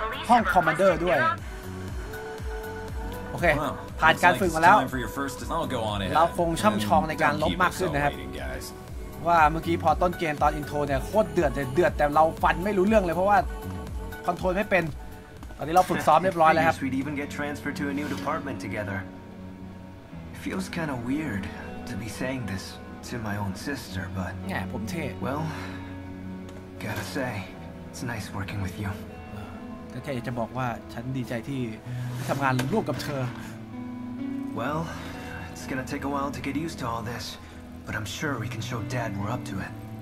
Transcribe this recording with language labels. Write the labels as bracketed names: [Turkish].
[Thai] ห้องคอมมานเดอร์ด้วยโอเคผ่านการฝึกมาแล้วเราคงช่ำชองในการลบมากขึ้นนะครับว่าเมื่อกี้พอต้นเกมตอนอินโทรเนี่ยโคตรเดือดเลยเดือดแต่เราฟันไม่รู้เรื่องเลยเพราะว่าคอนโทรลไม่เป็นตอนนี้เราฝึกซ้อมเรียบร้อยแล้วครับ [English] We'd even get transferred to a new department together. Feels kind of weird to be saying this to my own sister, but [Thai] yeah, ผมเท่ [English] Well, gotta say, it's nice working with you. [Thai] แต่แค่จะบอกว่าฉันดีใจที่ทำงานร่วมกับเธ [English] อ Well, it's gonna take a while to get used to all this, but I'm sure we can show Dad we're up to it.